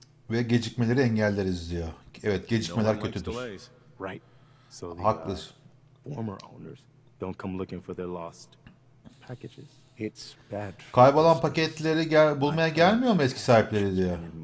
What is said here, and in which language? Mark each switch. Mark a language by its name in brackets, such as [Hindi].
[Turkish] Ve gecikmeleri engelleriz diyor. Evet, gecikmeler kötüdür. Haklısın. [English] former owners don't come looking for their lost packages. It's bad. [Turkish] Kaybolan paketleri bulmaya gelmiyor mu eski sahipleri diyor.